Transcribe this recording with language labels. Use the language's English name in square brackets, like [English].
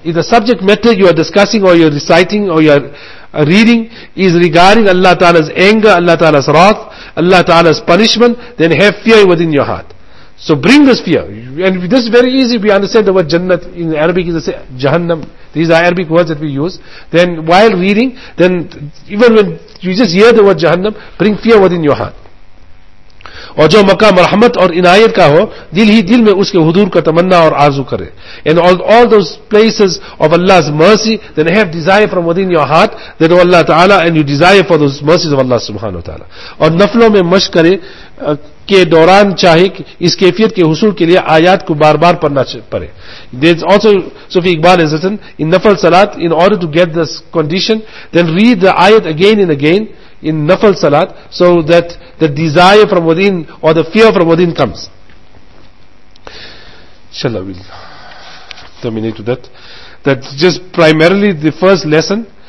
[English] If the subject matter you are discussing or you are reciting or you are reading is regarding Allah Ta'ala's anger, Allah Ta'ala's wrath, Allah Ta'ala's punishment, then have fear within your heart. So bring this fear. And this is very easy. We understand the word Jannat in Arabic is Jahannam. These are Arabic words that we use. Then while reading, then even when you just hear the word Jahannam, bring fear within your heart. [Urdu] اور جو مقام رحمت اور عنایت کا ہو دل ہی دل میں اس کے حضور کا تمنا اور آرزو کرے. [English] And all those places of Allah's mercy, then have desire from within your heart that oh Allah Ta'ala, and you desire for those mercies of Allah subhanahu wa ta'ala. [Urdu] اور نفلوں میں مشق کرے کے دوران چاہے اس کیفیت کے حصول کے لئے آیات کو بار بار پڑھنا پڑے. [English] There's also Sufi Iqbal has written, in nafal salat, in order to get this condition, then read the ayat again and again in nafal salat, so that the desire from within or the fear from within comes. Inshallah, we'll terminate with that. That just primarily the first lesson,